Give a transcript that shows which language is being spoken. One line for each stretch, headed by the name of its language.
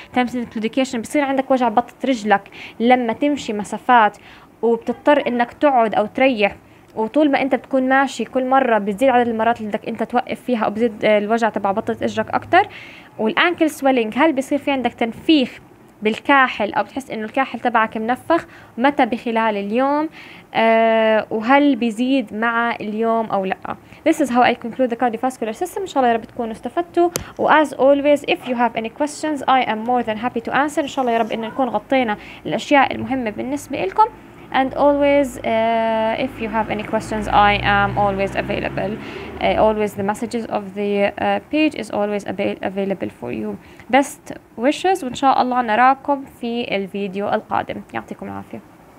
Arabic: تمسك claudication بصير عندك وجع بطة رجلك لما تمشي مسافات وبتضطر إنك تقعد أو تريح, وطول ما انت بتكون ماشي كل مره بتزيد عدد المرات اللي بدك انت توقف فيها او بزيد الوجع تبع بطه اجرك اكثر. والانكل سويلينج هل بيصير في عندك تنفيخ بالكاحل او بتحس انه الكاحل تبعك منفخ, متى بخلال اليوم, وهل بيزيد مع اليوم او لا.
English: This is how I conclude the cardiovascular system.
Arabic: ان شاء الله يا رب تكونوا استفدتوا,
English: و as always if you have any questions I am more than happy to answer.
Arabic: ان شاء الله يا رب ان نكون غطينا الاشياء المهمه بالنسبه لكم.
English: And always, if you have any questions, I am always available. Always, the messages of the page is always available for you. Best wishes,
Arabic: وإن شاء الله نراكم في الفيديو القادم. يعطيكم العافية.